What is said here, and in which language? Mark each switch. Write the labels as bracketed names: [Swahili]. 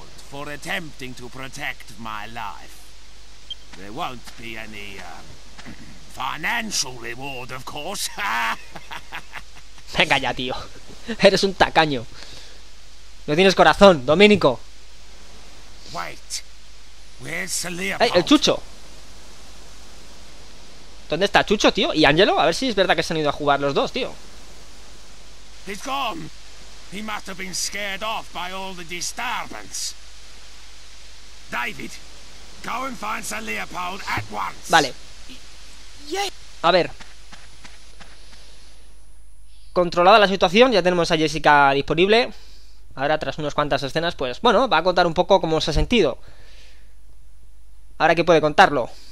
[English] For attempting to protect my life. There won't be any financial reward, of course. [Spanish] Venga ya, tío. Eres un tacaño. No tienes corazón, Dominico. [English] Wait. Where's Leopold? [Spanish] ¡Ey, el Chucho! ¿Dónde está Chucho, tío? ¿Y Ángelo? A ver si es verdad que se han ido a jugar los dos, tío. [English] He's gone. He must have been scared off by all the disturbance. David, go and find Sir Leopold at once. [Spanish] Vale. A ver. Controlada la situación, ya tenemos a Jessica disponible. Ahora, tras unas cuantas escenas, pues bueno, va a contar un poco cómo se ha sentido. Ahora que puede contarlo.